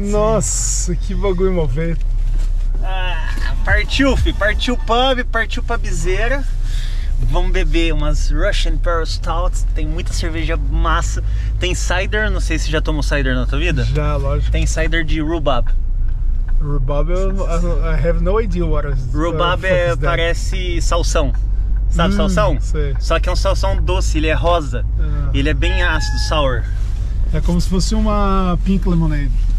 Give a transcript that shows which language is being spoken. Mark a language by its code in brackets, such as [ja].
[pt] Nossa, sim. Que bagulho mal feito. Ah, partiu, fi. Partiu pub, partiu pubzeira. Vamos beber umas Russian Pale Stouts. Tem muita cerveja massa. Tem cider, não sei se já tomou cider na tua vida. Já, lógico. Tem cider de rhubarb. [en] Rhubarb, I have no idea what is. [pt] Rhubarb parece salsão. Sabe salsão? Sei. Só que é um salsão doce, ele é rosa. É. Ele é bem ácido, sour. É como se fosse uma pink lemonade.